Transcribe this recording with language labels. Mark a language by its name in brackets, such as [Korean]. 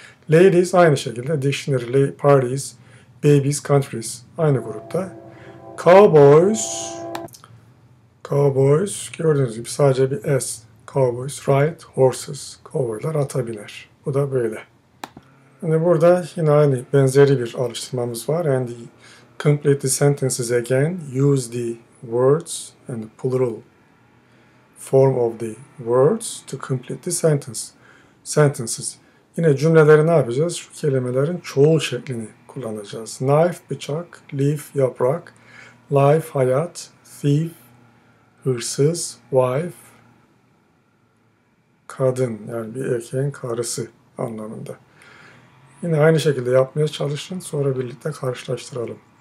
[English] Ladies [Turkish] aynı şekilde. [English] Dictionary, parties, babies, countries. [Turkish] Aynı grupta. [English] Cowboys. [Turkish] Cowboys, gördüğünüz gibi sadece bir S. [English] Cowboys ride horses. [Turkish] Cowboylar ata biner. Bu da böyle. Yani burada yine aynı benzeri bir alıştırmamız var. [English] And the complete the sentences again. Use the words and the plural form of the words to complete the sentences. [Turkish] Yine cümleleri ne yapacağız? Şu kelimelerin çoğul şeklini kullanacağız. Knife, bıçak, leaf, yaprak, life, hayat, thief, hırsız, wife, kadın, yani bir erkeğin karısı anlamında. Yine aynı şekilde yapmaya çalışın, sonra birlikte karşılaştıralım.